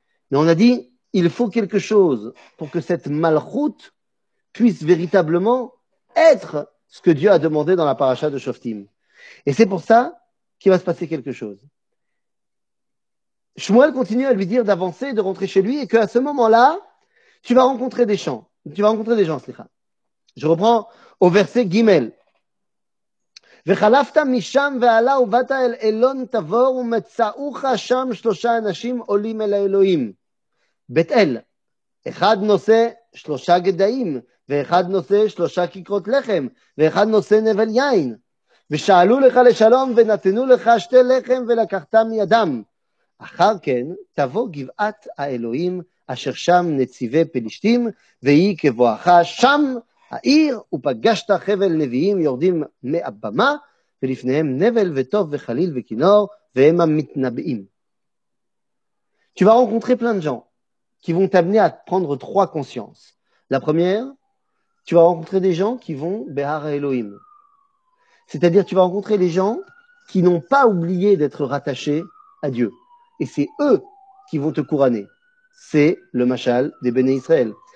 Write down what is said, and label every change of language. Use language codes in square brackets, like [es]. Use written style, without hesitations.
[fr] Mais on a dit, il faut quelque chose pour que cette malchoute puisse véritablement être ce que Dieu a demandé dans la paracha de Shoftim. Et c'est pour ça qu'il va se passer quelque chose. Shmuel continue à lui dire d'avancer, de rentrer chez lui, et qu'à ce moment-là, tu vas rencontrer des gens. Tu vas rencontrer des gens, Slicha. Je reprends au verset Gimel. [he] וחלפת משם ועלה ובאת אל אלון תבור ומצאוך שם שלושה אנשים עולים אל האלוהים. בית אל, אחד נושא שלושה גדיים, ואחד נושא שלושה כיכרות לחם, ואחד נושא נבל יין. ושאלו לך לשלום ונתנו לך שתי לחם ולקחת מידם. אחר כן תבוא גבעת האלוהים אשר שם נציבי פלישתים, והיא כבואך שם. העיר ופגשת חבל נביאים יורדים מהבמה ולפניהם נבל וטוב וחליל וכינור והם המתנבאים. [fr] Tu vas rencontrer plein de gens qui vont t'amener à prendre trois consciences. La première, tu vas rencontrer des gens qui vont Behar Elohim. C'est-à-dire, tu vas rencontrer les gens qui n'ont pas oublié d'être rattachés à Dieu. Et c'est eux qui vont te couronner. C'est le Machal des Béné Israël.